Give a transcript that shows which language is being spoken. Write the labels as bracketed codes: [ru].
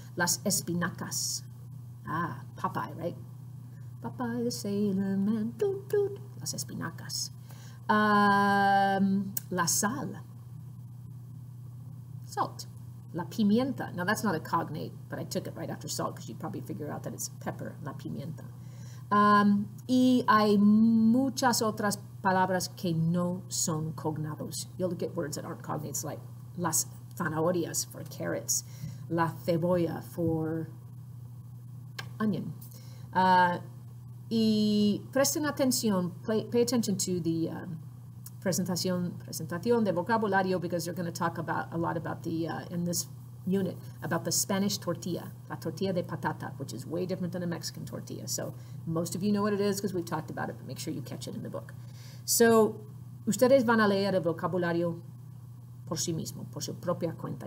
[es] Las espinacas. Ah, Popeye, [en] right? Popeye the sailor man. Doot, doot. [es] Las espinacas. La sal. [en] Salt. [es] La pimienta. [en] Now, that's not a cognate, but I took it right after salt because you'd probably figure out that it's pepper. [es] La pimienta. Y hay muchas otras palabras que no son cognados. [en] You'll get words that aren't cognates, like las zanahorias for carrots, la cebolla for onion. [es] Y presten atención, [en] pay attention to the [es] presentación de vocabulario, [en] because you're going to talk about the Spanish tortilla, [es] la tortilla de patata, [en] which is way different than a Mexican tortilla. So most of you know what it is because we've talked about it, but make sure you catch it in the book. [es] So ustedes van a leer el vocabulario por sí mismo, por su propia cuenta.